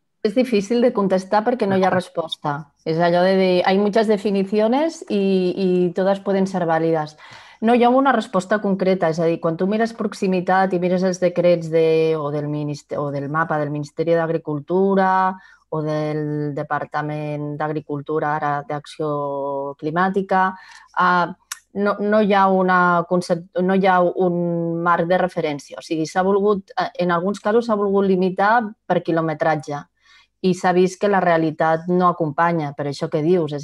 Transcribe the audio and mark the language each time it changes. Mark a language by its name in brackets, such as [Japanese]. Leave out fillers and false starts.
[Catalan] És difícil de contestar perquè no hi ha resposta. És allò de dir, [Spanish] hay muchas definiciones y todas pueden ser válidas. [Catalan] No hi ha una resposta concreta, és a dir, quan tu mires proximitat i mires els decrets del mapa del Ministeri d'Agricultura o del Departament d'Agricultura, ara d'Acció Climàtica, no hi ha un marc de referència. O sigui, s'ha volgut, en alguns casos s'ha volgut limitar per quilometratge i s'ha vist que la realitat no acompanya, per això que dius.